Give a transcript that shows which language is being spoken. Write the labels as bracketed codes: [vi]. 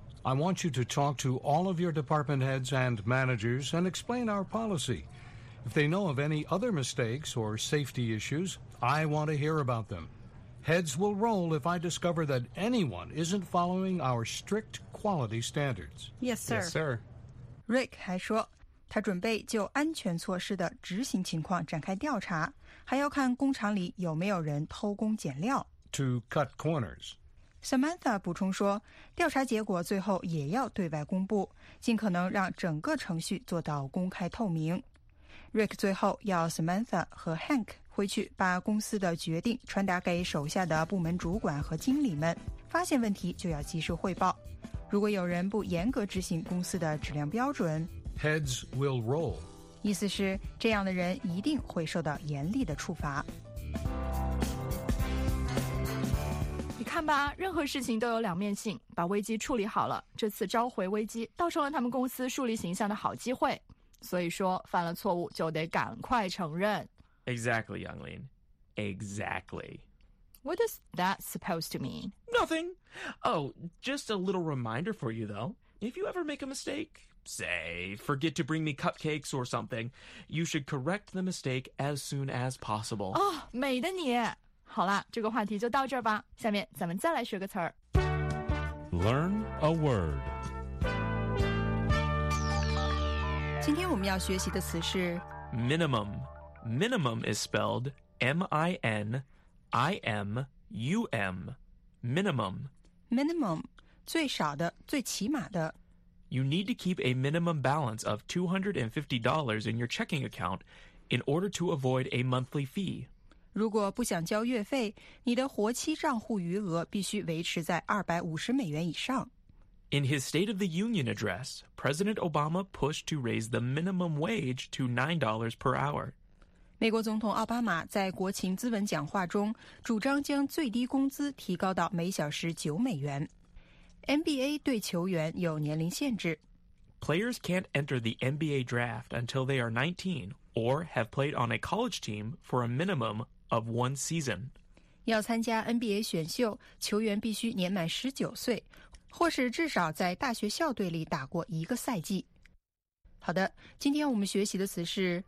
[en] I want you to talk to all of your department heads and managers and explain our policy. If they know of any other mistakes or safety issues, I want to hear about them. Heads will roll if I discover that anyone isn't following our strict quality standards. Yes, sir. Yes, sir. [zh] Rick 还说，他准备就安全措施的执行情况展开调查，还要看工厂里有没有人偷工减料。 [en] To cut corners. [zh] Samantha 补充说，调查结果最后也要对外公布，尽可能让整个程序做到公开透明。 Rick 最后要 Samantha 和 Hank 回去把公司的决定传达给手下的部门主管和经理们，发现问题就要及时汇报。如果有人不严格执行公司的质量标准， Heads will roll，意思是这样的人一定会受到严厉的处罚。你看吧，任何事情都有两面性，把危机处理好了，这次召回危机倒成了他们公司树立形象的好机会，所以说犯了错误就得赶快承认。 [en] Exactly, Younglin. Exactly. What is that supposed to mean? Nothing. Oh, just a little reminder for you, though. If you ever make a mistake, say, forget to bring me cupcakes or something, you should correct the mistake as soon as possible. [zh] Oh, 美的你。好了，这个话题就到这儿吧。下面咱们再来学个词儿。 [en] Learn a word. [zh] 今天我们要学习的词是 [en] minimum. Minimum is spelled M-I-N-I-M-U-M. Minimum. [zh] Minimum, 最少的，最起码的。 [en] You need to keep a minimum balance of $250 in your checking account in order to avoid a monthly fee. [zh] 如果不想交月费，你的活期账户余额必须维持在250美元以上。 [en] In his State of the Union address, President Obama pushed to raise the minimum wage to $9 per hour. [zh] 美国总统奥巴马在国情咨文讲话中主张将最低工资提高到每小时9美元。 NBA 对球员有年龄限制。 [en] Players can't enter the NBA draft until they are 19 or have played on a college team for a minimum of one season. [zh] 要参加 NBA 选秀，球员必须年满19岁。或是至少在大学校队里打过一个赛季。好的，今天我们学习的词是